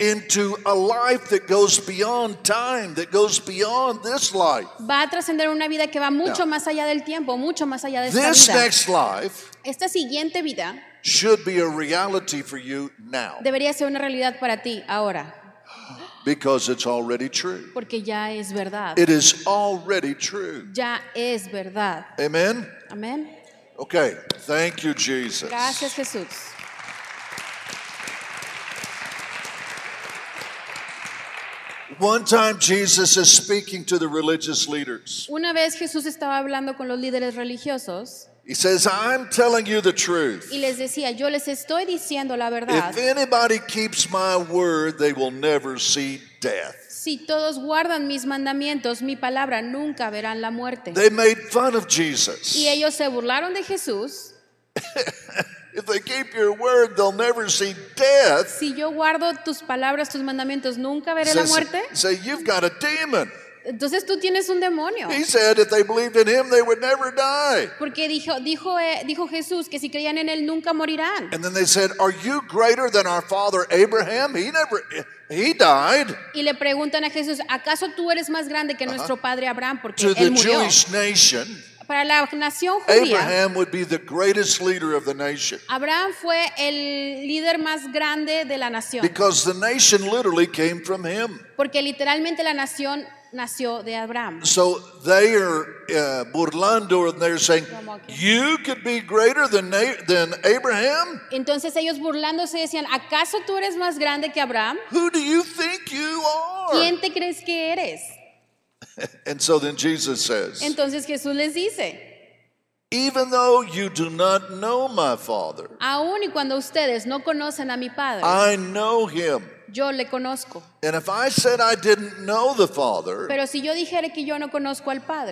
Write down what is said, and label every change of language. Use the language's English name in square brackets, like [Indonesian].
[English] Into a life that goes beyond time, that goes beyond this life. [Spanish] Va a trascender una vida que va mucho más allá del tiempo, mucho más allá de esta [English] this [Spanish] vida. [English] This next life. [Spanish] Esta siguiente vida. [English] Should be a reality for you now. [Spanish] Debería ser una realidad para ti ahora. [English] Because it's already true. [Spanish] Porque ya es verdad. [English] It is already true. [Spanish] Ya es verdad. [English] Amen. [Spanish] Amen. [English] Okay. Thank you, Jesus. [Spanish] Gracias, Jesús. [English] One time Jesus is speaking to the religious leaders. [Spanish] Una vez Jesús estaba hablando con los líderes religiosos. [English] He says, I'm telling you the truth. [Spanish] Y les decía, yo les estoy diciendo la verdad. [English] If anybody keeps my word, they will never see death. [Spanish] Si todos guardan mis mandamientos, mi palabra, nunca verán la muerte. [English] They made fun of Jesus. [Spanish] Y ellos se burlaron de Jesús. [English] If they keep your word, they'll never see death. [Spanish] Si yo guardo tus palabras, tus mandamientos, nunca veré la muerte. [English] Say, you've got a demon. [Spanish] Entonces tú tienes un demonio. [English] He said if they believed in him, they would never die. [Spanish] Porque dijo Jesús que si creían en él nunca morirán. [English] And then they said, are you greater than our father Abraham? He died. [Spanish] Y le preguntan a Jesús, ¿acaso tú eres más grande que nuestro padre Abraham? Porque [English] to [Spanish] él [English] the [Spanish] murió. [English] Jewish nation, [Spanish] para la nación judía, [English] Abraham would be the greatest leader of the nation. [Spanish] Abraham fue el líder más grande de la nación. [English] Because the nation literally came from him. [Spanish] Porque literalmente la nación nació de Abraham. [English] So they are burlando and they're saying, you could be greater than Abraham? [Spanish] Entonces ellos burlándose decían, ¿acaso tú eres más grande que Abraham? [English] Who do you think you are? [Spanish] ¿Quién te crees que eres? [English] And so then Jesus says, [Spanish] entonces Jesús les dice, [English] even though you do not know my father, [Spanish] aun y cuando ustedes no conocen a mi padre, [English] I know him. [Spanish] Yo le conozco. [English] And if I said I didn't know the father, [Spanish] pero si yo dijera que yo no conozco al padre,